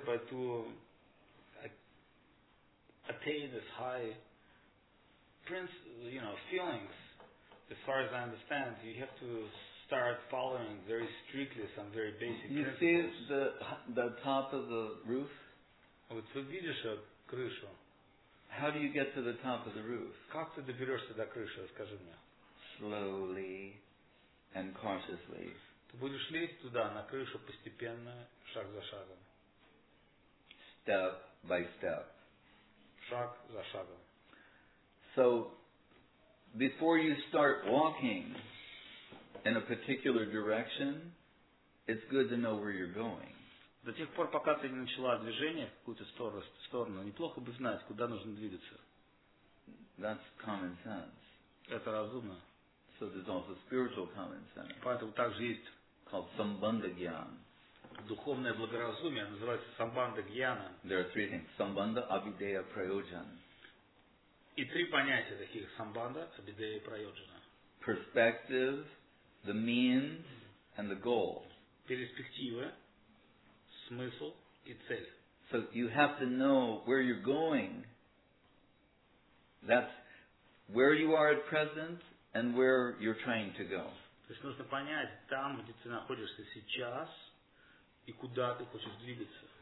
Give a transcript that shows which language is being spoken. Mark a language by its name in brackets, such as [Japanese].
[English] to attain this high prince, you know, feelings, as far as I understand, you have to start following very strictly some very basic you principles. See the top of the roof? [Russian] Вот вы видишь крышу. [English] How do you get to the top of the roof? [Russian] Как ты доберешься до крыши, скажи мне. [English] Slowly and cautiously. [Russian] Ты будешь лезть туда, на крышу, постепенно, шаг за шагом. [English] Step by step. [Russian] Шаг за шагом. [English] So, before you start walking in a particular direction, it's good to know where you're going. [Russian] До тех пор, пока ты не начала движение в какую-то сторону, неплохо бы знать, куда нужно двигаться. [English] That's common sense. [Russian] Это разумно. [English] So there's also spiritual common sense. [Russian] Поэтому также есть [English] called Sambandha Gyan. [Russian] Духовное благоразумие называется Sambandha Gyana. [English] There are three things: Sambandha, Abhideya, Prayojan. [Russian] И три понятия таких: Sambandha, Abhideya, Prayojana. [English] Perspective, the means, and the goal. [Russian] Перспектива, смысл и цель. [English] So you have to know where you're going. That's where you are at present and where you're trying to go. [Russian] То есть нужно понять там, где ты находишься сейчас, и куда ты хочешь двигаться.